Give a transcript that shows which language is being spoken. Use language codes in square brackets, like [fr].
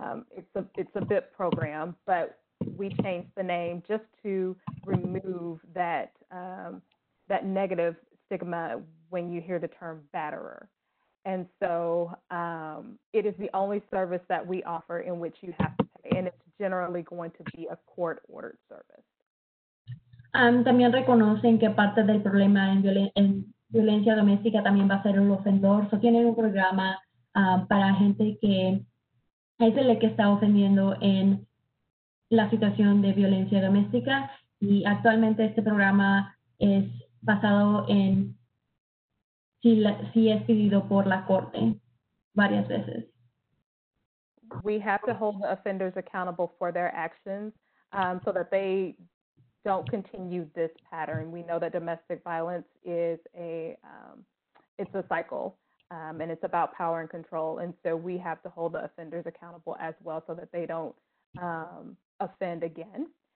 [en] It's a BIP program, but we changed the name just to remove that negative stigma when you hear the term batterer. And so it is the only service that we offer in which you have to pay, and it's generally going to be a court-ordered service. [es] También reconocen que parte del problema en violencia doméstica también va a ser el ofensor. So tienen un programa para gente que es el que está ofendiendo en la situación de violencia doméstica, y actualmente este programa es basado en si es pedido por la corte varias veces. [en] We have to hold the offenders accountable for their actions so that they don't continue this pattern. We know that domestic violence is it's a cycle, and it's about power and control. And so we have to hold the offenders accountable as well so that they don't offend again.